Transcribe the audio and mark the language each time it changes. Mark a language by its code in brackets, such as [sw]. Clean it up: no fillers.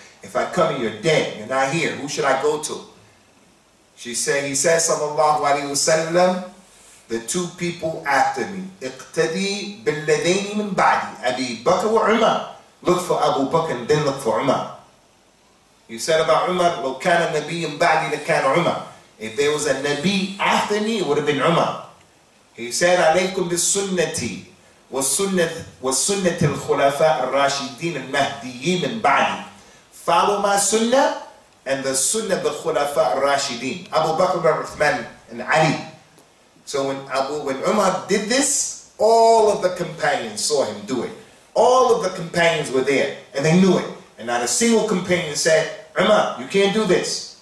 [en] If I come and you're dead, you're not here, who should I go to? She said, he said, sallallahu alayhi wa sallam, the two people after me, [ar] اقتدي بالذين من بعدي, [en] Abu Bakr wa Umar. Look for Abu Bakr and then look for Umar. He said about Umar, [ar] لو كان نبي من بعدي لكان Umar. [en] If there was a Nabi after me, it would have been Umar. He said, [ar] عليكم بسنتي وسنة الخلفاء الراشدين المهديين من بعدي. [en] Follow my sunnah and the sunnah of the khulafa الراشدين. Abu Bakr, Uthman, and Ali. So when Umar did this, all of the companions saw him do it. All of the companions were there and they knew it. And not a single companion said, Umar, you can't do this.